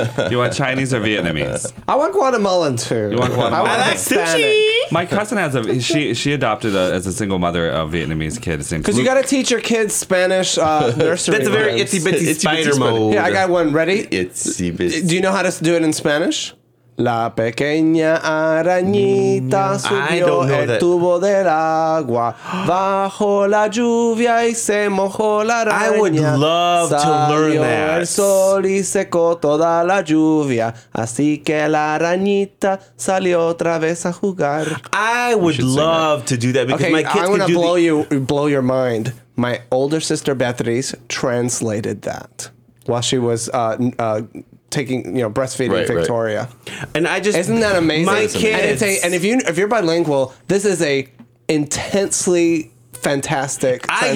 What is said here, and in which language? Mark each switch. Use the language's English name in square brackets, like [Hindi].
[English] You want Chinese or Vietnamese? I want Guatemalan, too. You want Guatemalan? I like sushi! My cousin has she adopted as a single mother a Vietnamese kid. Because you got to teach your kids Spanish nursery. That's a very itsy bitsy spider mode. Yeah, I got one ready. Itsy bitsy. Do you know how to do it in Spanish? [Spanish] La pequeña arañita subió el tubo del agua bajo la lluvia y se mojó la araña. [English] I would love to learn that. [Spanish] Salió el sol y secó toda la lluvia, así que la arañita salió otra vez a jugar. [English] I would love to do that because my kids could do that. Okay, I'm gonna blow your mind. My older sister Beatriz translated that while she was taking, you know, breastfeeding Victoria. Right. And I just... Isn't that amazing? My kids... And if you're bilingual, this is a intensely fantastic translation.